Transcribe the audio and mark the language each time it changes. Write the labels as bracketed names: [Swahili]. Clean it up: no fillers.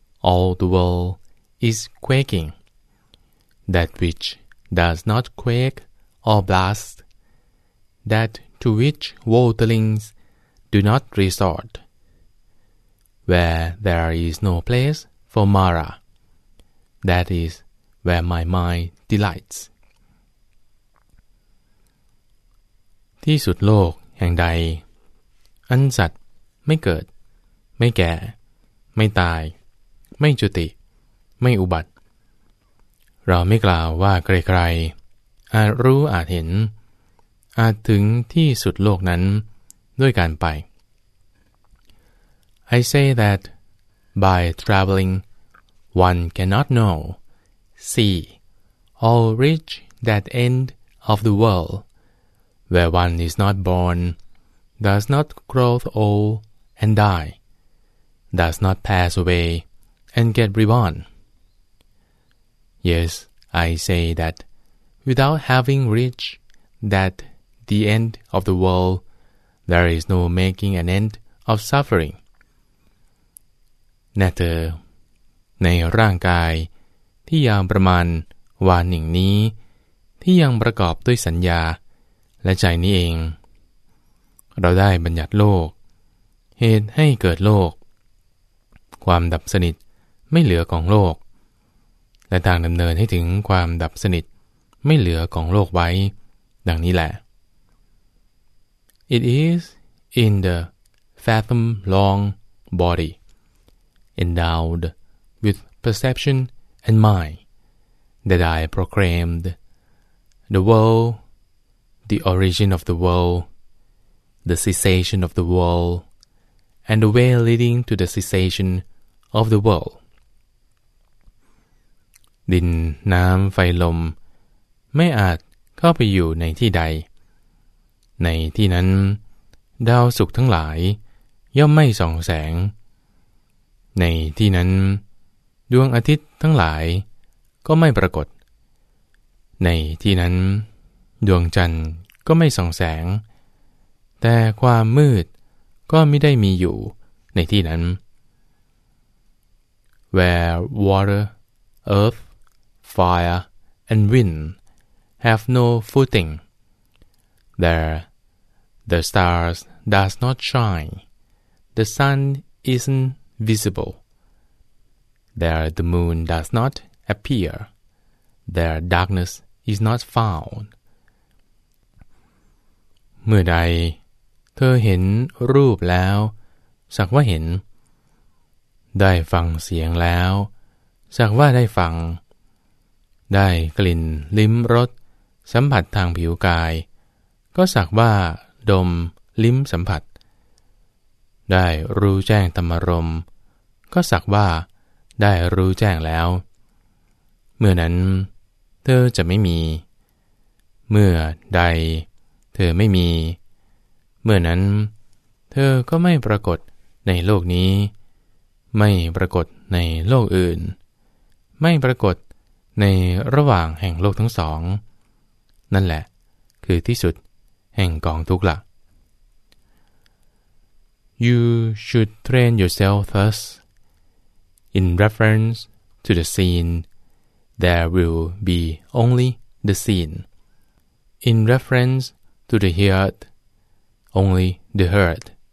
[English] All the world is quaking. That which does not quake or blast, that to which worldlings do not resort, where there is no place for Mara, that is where my mind delights. [Thai] ที่สุดโลกแห่งใดอันสัตว์ไม่เกิดไม่แก่ไม่ตายไม่จุติไม่อุบัติเราไม่กล่าวว่าใครๆอาจรู้อาจเห็นอาจถึงที่สุดโลกนั้นด้วยการไป [English] I say that by traveling one cannot know, see, or reach that end of the world where one is not born, does not grow old and die, does not pass away and get reborn. Yes, I say that without having reached that the end of the world, there is no making an end of suffering. [Thai] แน่เธอในร่างกายที่ยาวประมาณวาหนึ่งนี้ที่ยังประกอบด้วยสัญญาและใจนี้เองเราได้บัญญัติโลกเหตุให้เกิดโลกความดับสนิทไม่เหลือของโลกและทางดำเนินให้ถึงความดับสนิทไม่เหลือของโลกไว้ดังนี้แหละ [English] It is in the fathom long body endowed with perception and mind that I proclaimed the worldThe origin of the world, the cessation of the world, and the way leading to the cessation of the world. [Thai] ดินน้ำไฟลมไม่อาจเข้าไปอยู่ในที่ใดในที่นั้นดาวศุกร์ทั้งหลายย่อมไม่ส่องแสงในที่นั้นดวงอาทิตย์ทั้งหลายก็ไม่ปรากฏในที่นั้นดวงจันทร์ก็ไม่ส่องแสงแต่ความมืดก็ไม่ได้มีอยู่ในที่นั้น [English] Where water, earth, fire, and wind have no footing, there the stars does not shine, the sun isn't visible, there the moon does not appear, there darkness is not found. [Thai] เมื่อใดเธอเห็นรูปแล้วสักว่าเห็นได้ฟังเสียงแล้วสักว่าได้ฟังได้กลิ่นลิ้มรสสัมผัสทางผิวกายก็สักว่าดมลิ้มสัมผัส ได้รู้แจ้งธรรมรมณ์ก็สักว่าได้รู้แจ้งแล้วเมื่อนั้นเธอจะไม่มีเมื่อใดเธอไม่มีเมื่อนั้นเธอก็ไม่ปรากฏในโลกนี้ไม่ปรากฏในโลกอื่นไม่ปรากฏในระหว่างแห่งโลกทั้งสองนั่นแหละคือที่สุดแห่งกองทุกข์ล่ะ [English] You should train yourself thus in reference to the scene there will be only the scene in referenceTo the heard, only the heard.